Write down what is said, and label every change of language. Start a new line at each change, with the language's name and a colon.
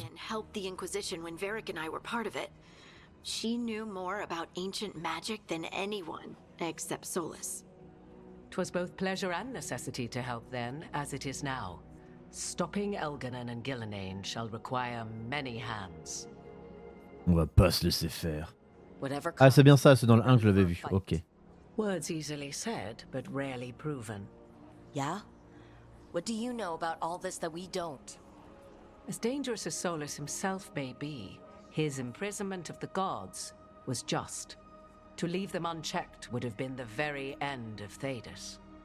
English: Morgan helped the Inquisition when Varric and I were part of it. She knew more about ancient magic than anyone, except Solas. 'Twas both pleasure and necessity to help then, as it is now. Stopping Elgenon and Gillenane shall require many hands.
French: On va pas se laisser faire.
English: Whatever comes,
French: ah, c'est bien ça, c'est dans le 1 que je l'avais vu. Ok.
English: Words easily said, but rarely proven. Yeah? What do you know about all this that we don't? As dangerous as Solas himself may be, his imprisonment of the gods was just. To leave them unchecked would have been the very end of Thedas.